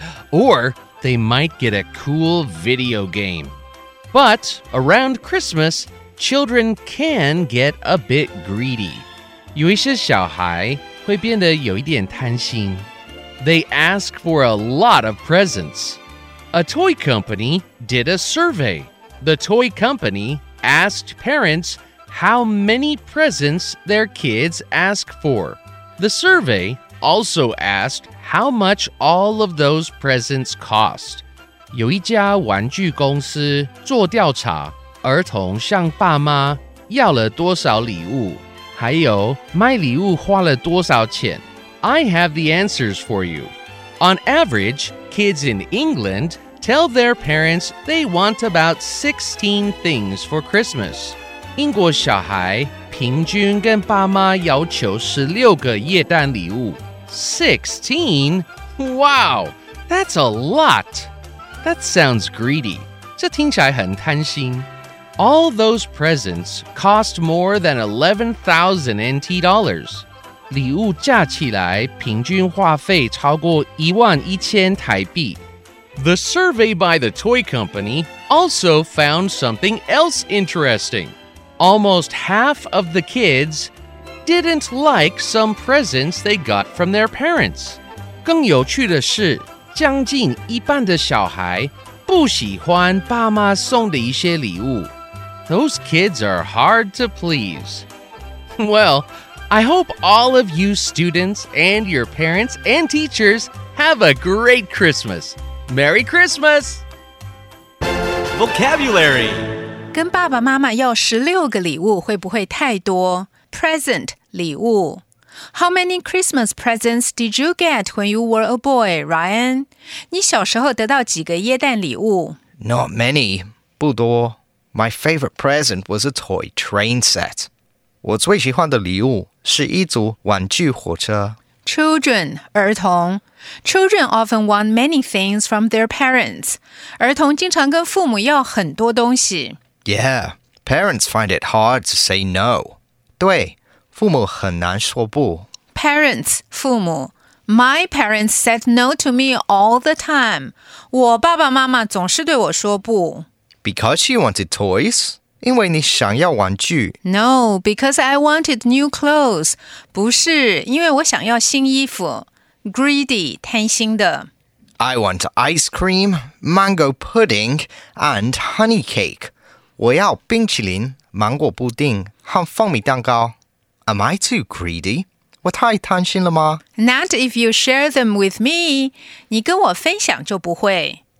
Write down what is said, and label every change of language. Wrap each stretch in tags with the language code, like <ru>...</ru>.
<en>Or they might get a cool video game. But around Christmas, children can get a bit greedy.</en> <zh>有一些小孩会变得有一点贪心。</zh> <en>They ask for a lot of presents. A toy company did a survey. The toy company... asked parents how many presents their kids ask for. The survey also asked how much all of those presents cost.</en> <zh>有一家玩具公司做调查，儿童向爸妈要了多少礼物，还有卖礼物花了多少钱。</zh> <en>I have the answers for you. On average, kids in England... tell their parents they want about 16 things for Christmas.</en> <zh>英国小孩平均跟爸妈要求16个耶诞礼物。</zh> <en>16? Wow, that's a lot. That sounds greedy.</en> <zh>这听起来很贪心。</zh> <en>All those presents cost more than NT$11,000.</en> <zh>礼物加起来平均花费超过11,000台币。</zh> <en>The survey by the toy company also found something else interesting. Almost half of the kids didn't like some presents they got from their parents.</en> <zh>更有趣的是，将近一半的小孩不喜欢爸妈送的一些礼物。</zh> <en>Those kids are hard to please. Well, I hope all of you students and your parents and teachers have a great Christmas. Merry Christmas! Vocabulary</en> <zh>跟爸爸妈妈要16个礼物会不会太多?</zh> <en>Present,</en> <zh>礼物</zh> <en>How many Christmas presents did you get when you were a boy, Ryan?</en> <zh>你小时候得到几个耶诞礼物?</zh> <en>Not many,</en> <zh>不多</zh> <en>My favorite present was a toy train set</en> <zh>我最喜欢的礼物是一组玩具火车</zh> <en>Children,</en> <zh>儿童</zh> <en>Children often want many things from their parents.</en> <zh>儿童经常跟父母要很多东西。</zh> <en>Yeah, parents find it hard to say no.</en> <zh>对,父母很难说不。</zh> <en>Parents,</en> <zh>父母</zh> <en>My parents said no to me all the time.</en> <zh>我爸爸妈妈总是对我说不。</zh> <en>Because you wanted toys?</en> <zh>因为你想要玩具。</zh> <en>No, because I wanted new clothes.</en> <zh>不是,因为我想要新衣服。 Greedy, 贪心的。</zh> <en>I want ice cream, mango pudding, and honey cake.</en> <zh>我要冰淇淋、芒果布丁和蜂蜜蛋糕。</zh> <en>Am I too greedy?</en> <zh>我太贪心了吗?</zh> <en>Not if you share them with me.</en> <zh>你跟我分享就不会。</zh>